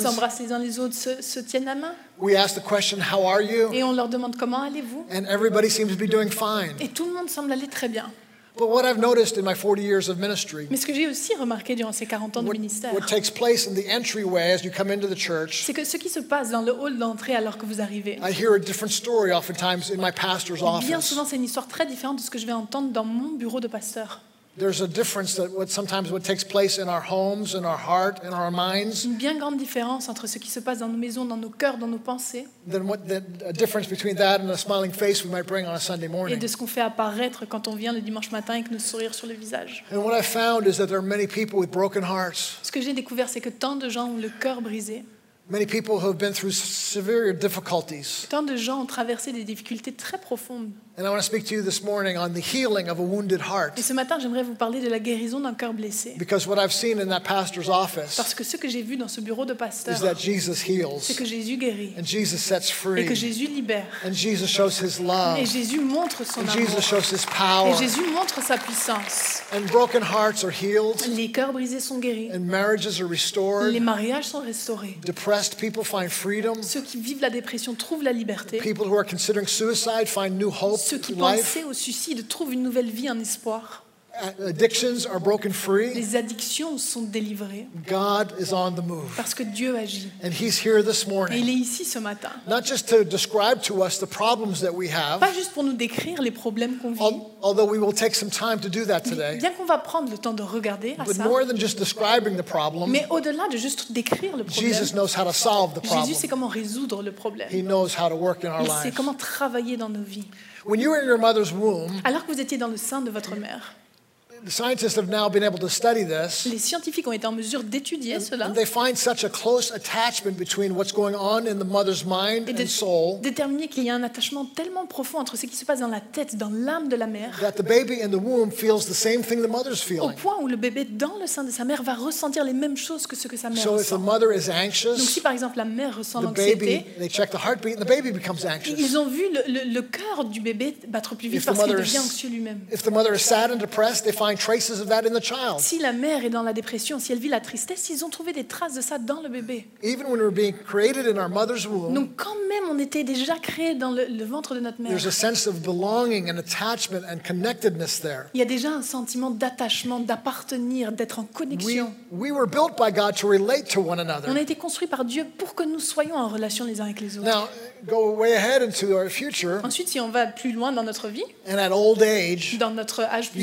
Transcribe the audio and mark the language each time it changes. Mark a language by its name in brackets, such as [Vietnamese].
[French] Ils s'embrassent les uns les autres, se tiennent la main. [English] We ask the question, how are you? [French] Et on leur demande comment allez-vous? [English] And everybody seems to be doing fine. [French] Et tout le monde semble aller très bien. [English] But what I've noticed in my 40 years of ministry, [French] mais ce que j'ai aussi remarqué durant ces 40 ans de ministère, [English] what takes place in the entryway as you come into the church, [French] c'est que ce qui se passe dans le hall d'entrée alors que vous arrivez, [English] I hear a different story oftentimes in my pastor's office. [French] Bien souvent, c'est une histoire très différente de ce que je vais entendre dans mon bureau de pasteur. [English] There's a difference that sometimes what takes place in our homes, in our heart, in our minds. [French] Une bien grande différence entre ce qui se passe dans nos maisons, dans nos cœurs, dans nos pensées. [English] Than what a difference between that and a smiling face we might bring on a Sunday morning. [French] Et de ce qu'on fait apparaître quand on vient le dimanche matin avec nos sourires sur le visage. [English] And what I found is that there are many people with broken hearts. [French] Ce que j'ai découvert c'est que tant de gens ont le cœur brisé. [English] Many people who have been through severe difficulties. [French] Tant de gens ont traversé des difficultés très profondes. [English] And I want to speak to you this morning on the healing of a wounded heart. [French] Et ce matin, j'aimerais vous parler de la guérison d'un cœur blessé. [English] Because what I've seen in that pastor's office. [French] Parce que ce que j'ai vu dans ce bureau de pasteur. [English] Is that Jesus heals. [French] C'est que Jésus guérit. [English] And Jesus sets free. [French] Et que Jésus libère. [English] And Jesus shows his love. [French] Et Jésus montre son [English] and [French] amour. [English] And Jesus shows his power. [French] Et Jésus montre sa puissance. [English] And broken hearts are healed. [French] Les cœurs brisés sont guéris. [English] And marriages are restored. [French] Les mariages sont restaurés. [English] Depressed people find freedom. [French] Ceux qui vivent la dépression trouvent la liberté. [English] People who are considering suicide find new hope. [French] Ceux qui pensaient au suicide trouvent une nouvelle vie, un espoir. [English] Addictions are broken free. [French] Les addictions sont délivrées. [English] God is on the move. [French] Parce que Dieu agit. [English] And he's here this morning. [French] Et il est ici ce matin. [English] Not just to describe to us the problems that we have. [French] Pas juste pour nous décrire les problèmes qu'on vit. [English] Although we will take some time to do that today. [French] Bien qu'on va prendre le temps de regarder à [English] but [French] ça. [English] But more than just describing the problem. [French] Mais au-delà de juste décrire le problème. [English] Jesus knows how to solve the problem. [French] Jésus sait comment résoudre le problème. [English] He knows how to work in our lives. [French] Il sait comment travailler dans nos vies. [English] When you were in your mother's womb. [French] Alors que vous étiez dans le sein de votre mère. [English] The scientists have now been able to study this. [French] Les scientifiques ont été en mesure d'étudier cela. [English] And they find such a close attachment between what's going on in the mother's mind and soul. [French] Déterminer qu'il y a un attachement tellement profond entre ce qui se passe dans la tête, dans l'âme de la mère. [English] That the baby in the womb feels the same thing the mother's feeling. [French] Au point où le bébé dans le sein de sa mère va ressentir les mêmes choses que ce que sa mère ressent. [English] So if the mother is anxious. [French] Donc si par exemple la mère ressent l'anxiété. [English] The baby, they check the heartbeat and the baby becomes anxious. [French] Ils ont vu le cœur du bébé battre plus vite parce qu'il devient anxieux lui-même. [English] If the mother is sad and depressed, they find traces of that in the child. [French] Si la mère est dans la dépression, si elle vit la tristesse, ils ont trouvé des traces de ça dans le bébé. [English] Even when we're being created in our mother's womb. [French] Donc quand même on était déjà créé dans le ventre de notre mère. [English] There's a sense of belonging and attachment and connectedness there. [French] Il y a déjà un sentiment d'attachement, d'appartenir, d'être en connexion. [English] We were built by God to relate to one another. [French] On a été construit par Dieu pour que nous soyons en relation les uns avec les autres. [English] Now, go way ahead into our future. [French] Ensuite, si on va plus loin dans notre vie. [English] And at old age. [French] Dans notre âge plus